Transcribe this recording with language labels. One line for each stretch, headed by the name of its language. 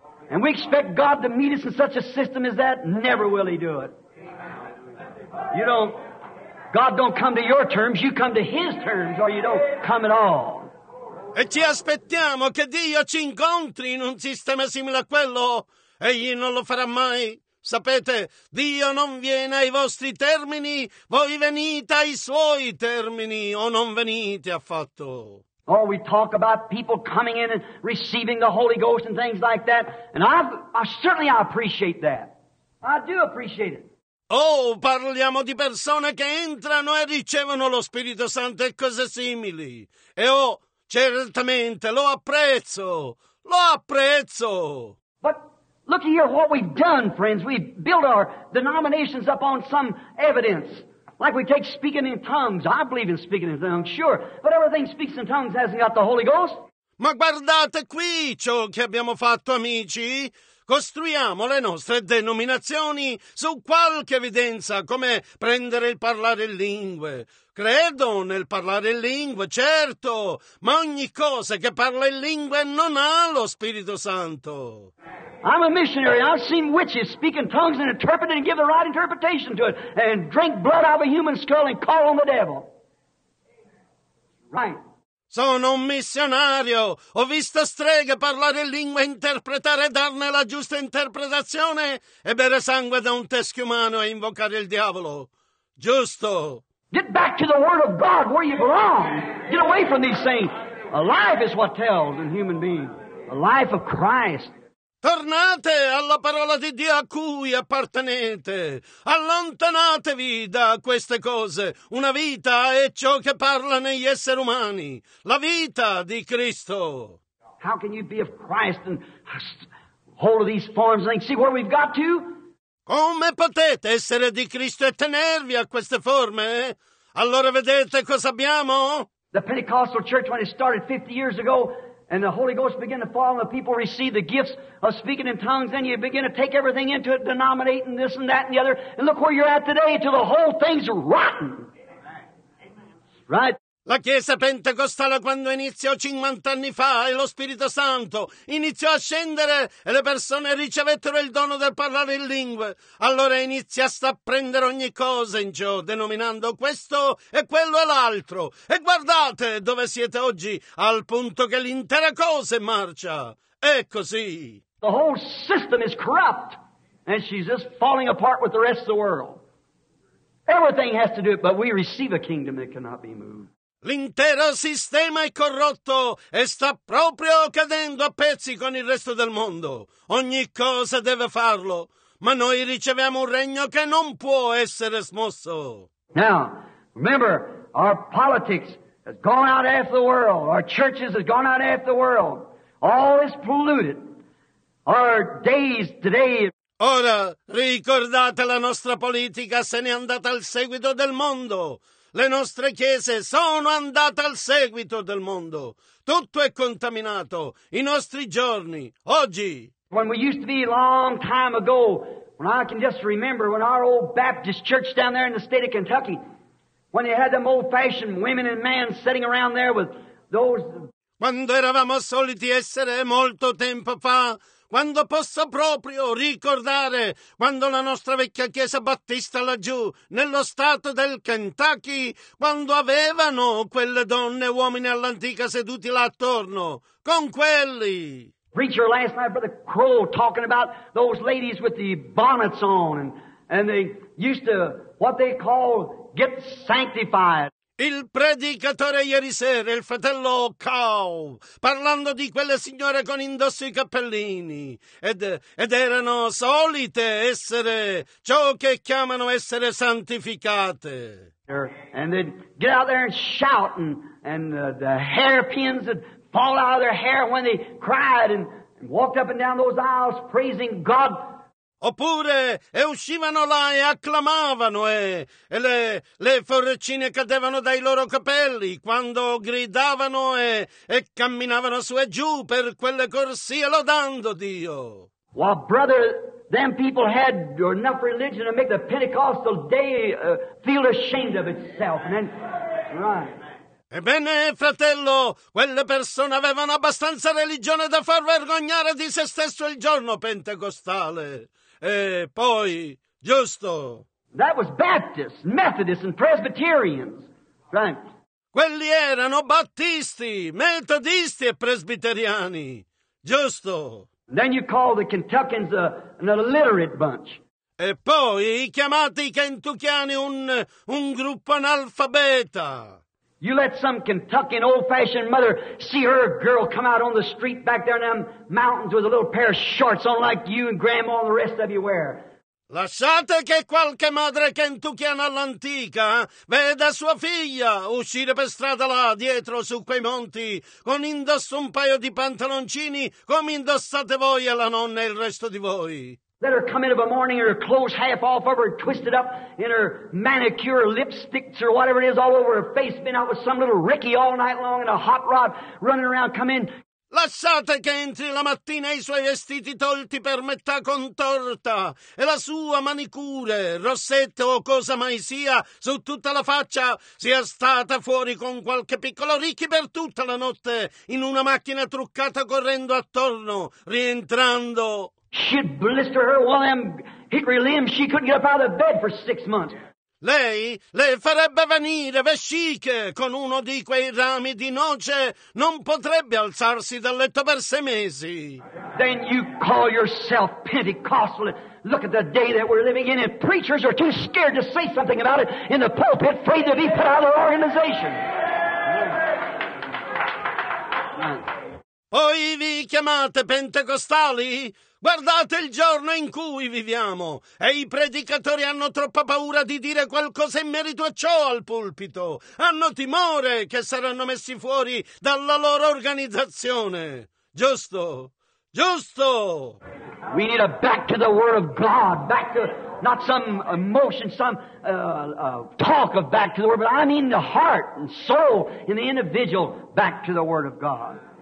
English: And we expect God to meet us in such a system as that? Never will he do it. You don't, God don't come to your terms, you come to his terms, or you don't come at all.
Italian: E ci aspettiamo che Dio ci incontri in un sistema simile a quello. Egli non lo farà mai. Sapete, Dio non viene ai vostri termini, voi venite ai suoi termini o non venite affatto.
English: Oh, we talk about people coming in and receiving the Holy Ghost and things like that, and I certainly appreciate that. I do appreciate it.
Italian: Oh, parliamo di persone che entrano e ricevono lo Spirito Santo e cose simili. E oh, certamente, lo apprezzo! Lo apprezzo!
English: But look here what we've done, friends. We've built our denominations up on some evidence. Like we take speaking in tongues. I believe in speaking in tongues, sure. But everything speaks in tongues hasn't got the Holy Ghost.
Italian: Ma guardate qui ciò che abbiamo fatto, amici. Costruiamo le nostre denominazioni su qualche evidenza, come prendere il parlare in lingue. Credo nel parlare in lingue, certo, ma ogni cosa che parla in lingue non ha lo Spirito Santo.
English: I'm a missionary. I've seen witches speak in tongues and interpret it and give the right interpretation to it and drink blood out of a human skull and call on the devil. Right.
Italian: Sono un missionario, ho visto streghe parlare lingua, interpretare e darne la giusta interpretazione e bere sangue da un teschio umano e invocare il diavolo. Giusto.
English: Get back to the word of God where you belong. Get away from these things. A life is what tells in human being. A life of Christ.
Italian: Tornate alla parola di Dio a cui appartenete. Allontanatevi da queste cose. Una vita è ciò che parla negli esseri umani. La vita di Cristo.
English: How can you be of Christ and hold of these forms and see where we've got to?
Italian: Come potete essere di Cristo e tenervi a queste forme? Allora vedete cosa abbiamo?
English: The Pentecostal church when it started 50 years ago and the Holy Ghost began to fall and the people received the gifts of speaking in tongues, then you begin to take everything into it, denominating this and that and the other, and look where you're at today until the whole thing's rotten. Right?
Italian: La Chiesa Pentecostale quando iniziò 50 anni fa e lo Spirito Santo iniziò a scendere e le persone ricevettero il dono del parlare in lingue, allora iniziasta a prendere ogni cosa in ciò, denominando questo e quello e l'altro. E guardate dove siete oggi, al punto che l'intera cosa è marcia. È così.
English: The whole system is corrupt and she's just falling apart with the rest of the world. Everything has to do it, but we receive a kingdom that cannot be moved.
Italian: L'intero sistema è corrotto e sta proprio cadendo a pezzi con il resto del mondo. Ogni cosa deve farlo, ma noi riceviamo un regno che non può essere smosso.
English: Now, remember, our politics has gone out after the world. Our churches has gone out after the world. All is polluted. Our days today.
Italian: Ora, ricordate, la nostra politica se n'è andata al seguito del mondo. Le nostre chiese sono andate al seguito del mondo. Tutto è contaminato. I nostri giorni, oggi.
English: When we used to be a long time ago, when I can just remember, when our old Baptist church down there in the state of Kentucky, when they had them old-fashioned women and men sitting around there with those.
Italian: Quando eravamo soliti essere molto tempo fa. Quando posso proprio ricordare quando la nostra vecchia chiesa battista laggiù, nello stato del Kentucky, quando avevano quelle donne e uomini all'antica seduti là attorno, con quelli.
English: Preacher last night, Brother Crowe, talking about those ladies with the bonnets on, and they used to, what they call, get sanctified.
Italian: Il predicatore ieri sera, il fratello Cow, parlando di quelle signore con indosso i cappellini, ed erano solite essere ciò che chiamano essere santificate.
English: And they'd get out there and shout, and the hairpins would fall out of their hair when they cried, and walked up and down those aisles praising God.
Italian: Oppure e uscivano là e acclamavano e le forcine cadevano dai loro capelli quando gridavano e camminavano su e giù per quelle corsie lodando Dio.
English: Well, brother, them people had enough religion to make the Pentecostal day feel ashamed of itself. And then, right.
Italian: Ebbene, fratello, quelle persone avevano abbastanza religione da far vergognare di se stesso il giorno pentecostale. E poi, giusto.
English: That was Baptists, Methodists, and Presbyterians, right?
Italian: Quelli erano Battisti, Metodisti e Presbiteriani, giusto.
English: And then you call the Kentuckians an illiterate bunch.
Italian: E poi chiamate i Kentuckiani un gruppo analfabeta.
English: You let some Kentuckian old-fashioned mother see her girl come out on the street back there in them mountains with a little pair of shorts on like you and grandma and the rest of you wear.
Italian: Lasciate che qualche madre kentuckiana all'antica veda sua figlia uscire per strada là dietro su quei monti con indosso un paio di pantaloncini come indossate voi e la nonna e il resto di voi.
English: Let her come in of a morning, her clothes half off of her, twisted up in her manicure, lipsticks or whatever it is, all over her face, been out with some little Ricky all night long and a hot rod running around, come in.
Italian: Lasciate che entri la mattina i suoi vestiti tolti per metà contorta e la sua manicure, rossetto o cosa mai sia, su tutta la faccia sia stata fuori con qualche piccolo Ricky per tutta la notte in una macchina truccata correndo attorno, rientrando.
English: She'd blister her one of them hickory limbs. She couldn't get up out of bed for 6 months.
Italian: Lei le farebbe venire vesciche con uno di quei rami di noce, non potrebbe alzarsi dal letto per 6 mesi.
English: Then you call yourself Pentecostal. Look at the day that we're living in, and preachers are too scared to say something about it in the pulpit, afraid to be put out of their organization.
Italian: Poi vi chiamate pentecostali? Guardate il giorno in cui viviamo e i predicatori hanno troppa paura di dire qualcosa in merito a ciò al pulpito. Hanno timore che saranno messi fuori dalla loro organizzazione. Giusto? Giusto!
English: We need a back to the word of God, back to not some emotion, some talk of back to the word, but I mean the heart and soul and the individual back to the word of God.